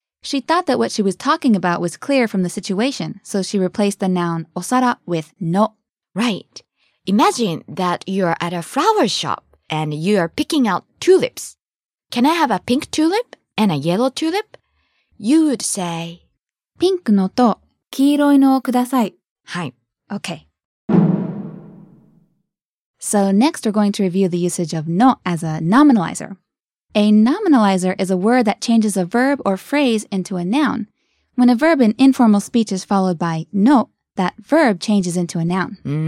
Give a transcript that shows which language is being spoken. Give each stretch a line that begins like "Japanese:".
English: She thought that what she was talking about was clear from the situation, so she replaced the noun お皿 with の. Right. Imagine that you're at a flower shop and you're picking out tulips. Can I have a pink tulip and a yellow tulip? You would say,
Japanese: ピンクのと黄色いのをください。はい。
English: Okay. So next we're going to review the usage of の as a nominalizer. A nominalizer is a word that changes a verb or phrase into a noun. When a verb in informal speech is followed by の, that verb changes into a noun.